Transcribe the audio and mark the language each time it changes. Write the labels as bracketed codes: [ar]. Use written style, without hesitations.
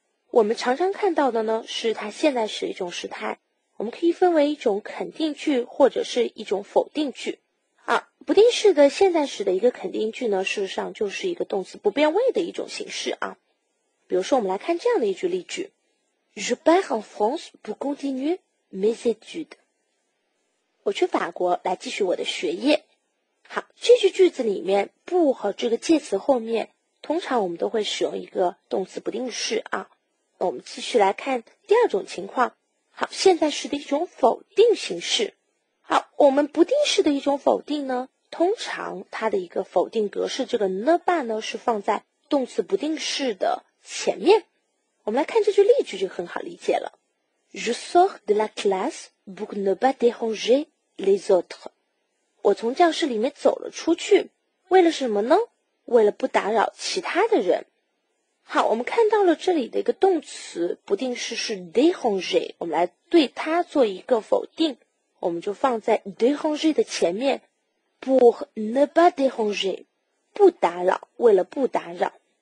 [zh] 我们常常看到的呢是它现在时一种时态，我们可以分为一种肯定句或者是一种否定句。啊，不定式的现在时的一个肯定句呢事实上就是一个动词不变位的一种形式啊。比如说我们来看这样的一句例句， [fr] Je pars en France pour continuer mes études. [zh] 我去法国来继续我的学业。好，这句句子里面 pour 和这个介词后面通常我们都会使用一个动词不定式啊。我们继续来看第二种情况。好，现在时的一种否定形式。好，我们不定式的一种否定呢通常它的一个否定格式这个 ne pas 呢是放在动词不定式的前面。我们来看这句例句就很好理解了。 [fr] Je sors de la classe pour ne pas déranger les autres. [zh] 我从教室里面走了出去，为了什么呢？为了不打扰其他的人。好，我们看到了这里的一个动词不定式是 déranger， 我们来对它做一个否定，我们就放在 déranger 的前面 [fr] pour ne pas déranger， [zh] 不打扰，为了不打扰。